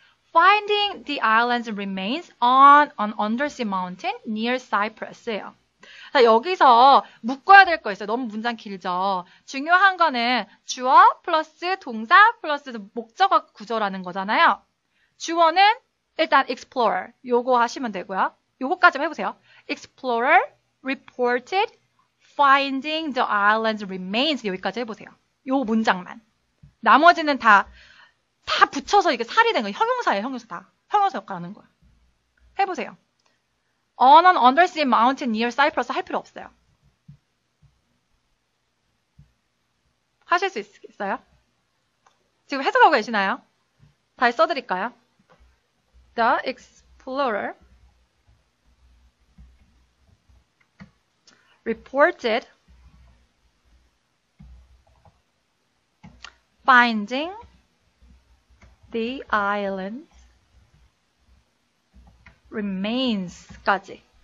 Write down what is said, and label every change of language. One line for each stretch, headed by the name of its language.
English: finding the island's remains on an undersea mountain near Cyprus예요.
Korean: 자, 여기서 묶어야 될거 있어요. 너무 문장 길죠? 중요한 거는 주어 플러스 동사 플러스 목적어 구조라는 거잖아요. 주어는 일단 explorer 요거 하시면 되고요. 요거까지만 해보세요.
English: Explorer reported finding the island's remains.
Korean: 여기까지 해보세요. 요 문장만. 나머지는 다 붙여서 이게 살이 된 거예요. 형용사예요, 형용사 다. 형용사 역할 하는 거예요. 해보세요.
English: On an undersea mountain near Cyprus
Korean: 할 필요 없어요. 하실 수 있어요? 지금 해석하고 계시나요? 다시 써드릴까요?
English: The explorer reported finding the island's remains 까지.